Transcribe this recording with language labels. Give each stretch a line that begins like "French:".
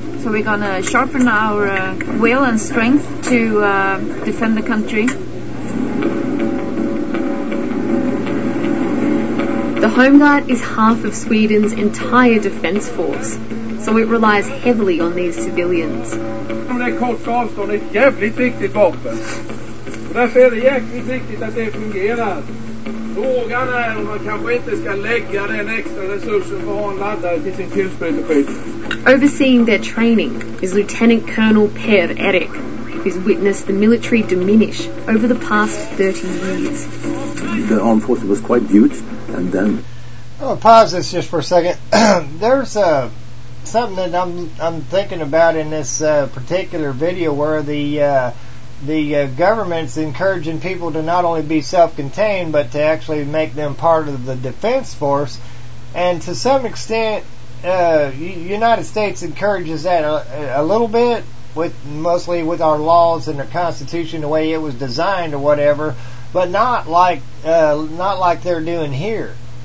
English: So we're going to sharpen our will and strength to defend the country. The Home Guard is half of Sweden's entire defence force, so it relies heavily on these civilians.
Swedish: Det är kort avstånd, ett jävligt viktigt vapen. Därför är det jäkligt viktigt att det fungerar. Frågan är om man kanske inte ska lägga den extra resursen för att ha en laddare till sin kulsprutepip.
English: Overseeing their training is Lieutenant Colonel Per Erik, who's witnessed the military diminish over the past 30 years. The armed forces was quite huge, and then... I'll pause this just for a second. There's a... something that I'm thinking about in this particular video, where the government's encouraging people to not only be self-contained but to actually make them part of the defense force, and to some extent United States encourages that a little bit, with mostly with our laws and the Constitution the way it was designed or whatever, but not like they're doing here.